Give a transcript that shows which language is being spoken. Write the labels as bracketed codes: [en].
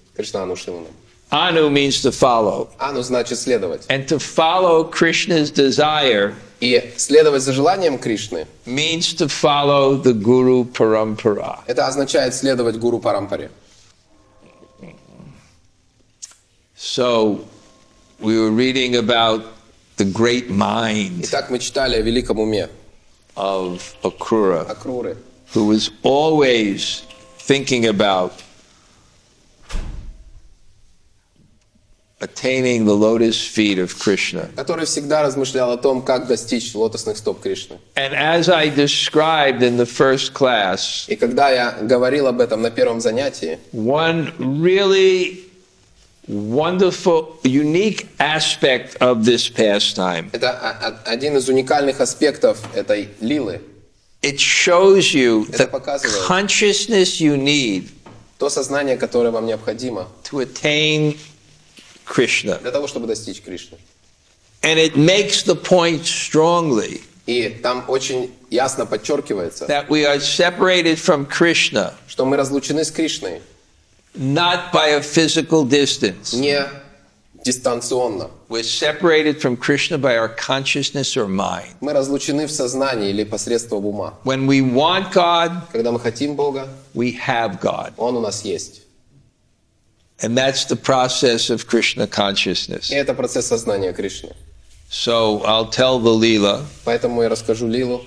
[sa] Krishnanu shilanam. [en] Anu means to follow. [ru] Anu значит следовать. [en] And to follow Krishna's desire. [ru] И следовать за желанием Кришны. [en] Means to follow the guru parampara. [ru] Это означает следовать гуру парампаре. [en] So we were reading about the great mind. [ru] Итак, мы читали о великом уме. [en] Of Akrura. [ru] Акруры. [en] Who was always thinking about attaining the lotus feet of Krishna. [ru] Который всегда размышлял о том, как достичь лотосных стоп Кришны. [en] And as I described in the first class, [ru] и когда я говорил об этом на первом занятии, [en] one really wonderful, unique aspect of this pastime. [ru] Это один из уникальных аспектов этой лилы. [en] It shows you the consciousness you need. [ru] То сознание, которое вам необходимо. [en] To attain Krishna. [ru] Для того, чтобы достичь Кришны. [en] And it makes the point strongly. [ru] И там очень ясно подчеркивается. [en] That we are separated from Krishna. [ru] Что мы разлучены с Кришной. [en] Not by a physical distance. [ru] Не дистанционно. [en] We're separated from Krishna by our consciousness or mind. [ru] Мы разлучены в сознании или посредством ума. [en] When we want God, [ru] когда мы хотим Бога, [en] we have God. [ru] Он у нас есть. [en] And that's the process of Krishna consciousness. [ru] И это процесс сознания Кришны. [en] So I'll tell the Leela. [ru] Поэтому я расскажу Лилу.